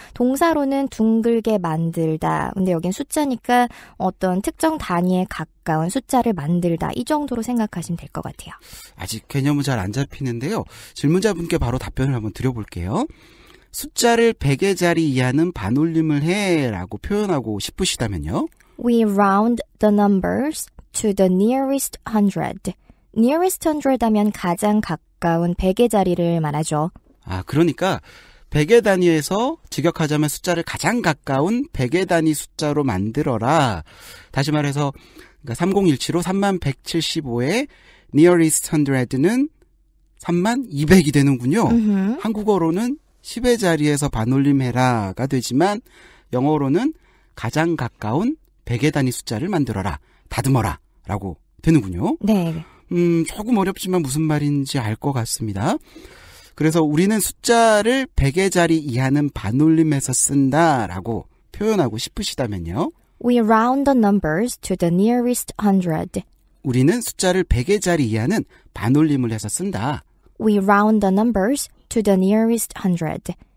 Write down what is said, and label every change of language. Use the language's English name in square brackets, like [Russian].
[Korean] 동사로는 둥글게 만들다. 근데 여긴 숫자니까 어떤 특정 단위에 가까운 숫자를 만들다. 이 정도로 생각하시면 될 것 같아요. 아직 개념은 잘 안 잡히는데요. 질문자분께 바로 답변을 한번 드려볼게요. 숫자를 100의 자리 이하는 반올림을 해 라고 표현하고 싶으시다면요. [English] We round the numbers to the nearest hundred. [Korean] Nearest hundred 하면 가장 가까운 100의 자리를 말하죠. 아, 그러니까 100의 단위에서 직역하자면 숫자를 가장 가까운 100의 단위 숫자로 만들어라. 다시 말해서 그러니까 3017호 3175의 nearest hundred는 3200이 되는군요. 으흠. 한국어로는 10의 자리에서 반올림해라가 되지만 영어로는 가장 가까운 100의 단위 숫자를 만들어라. 다듬어라. 라고 되는군요. 네. 조금 어렵지만 무슨 말인지 알 것 같습니다. 그래서 우리는 숫자를 100의 자리 이하는 반올림해서 쓴다라고 표현하고 싶으시다면요. [English] We round the numbers to the nearest hundred. [Korean] 우리는 숫자를 100의 자리 이하는 반올림을 해서 쓴다. [English] We round the numbers to the nearest hundred.